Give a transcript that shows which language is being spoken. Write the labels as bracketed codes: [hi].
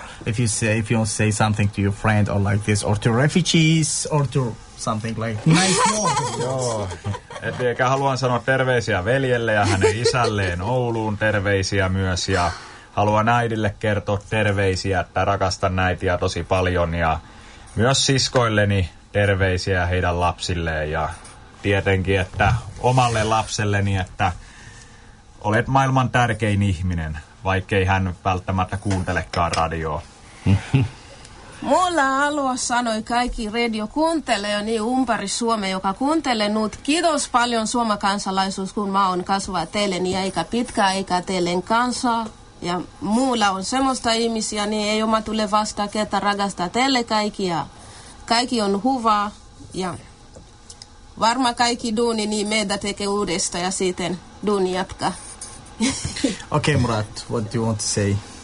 [en] If you say something to your friend or like this, or to refugees or to something like nice more. [fi] Joo. Et ehkä haluan sanoa terveisiä veljelle ja hänen isälleen Ouluun, terveisiä myös, ja haluan äidille kertoa terveisiä, että rakastan äitiä tosi paljon, ja myös siskoilleni terveisiä heidän lapsilleen, ja tietenkin että omalle lapselleni, että olet maailman tärkein ihminen, vaikkei hän välttämättä kuuntelekaan radioa. Mulla haluaa sanoa kaikki radiokuuntelijoita niin ympäri Suomea, joka kuuntelee nyt. Kiitos paljon Suomen kansalaisuus, kun mä oon kasvaa teille niin aika pitkä aika teille kanssa. Ja mulla on semmoista ihmisiä, niin ei oma tule vastaa, ketä rakastaa teille kaikki. Ja kaikki on hyvää. Ja varma kaikki duuni, niin meitä tekee uudesta ja sitten duuni jatkaa. [en] Okay, Murat, what do you want to say?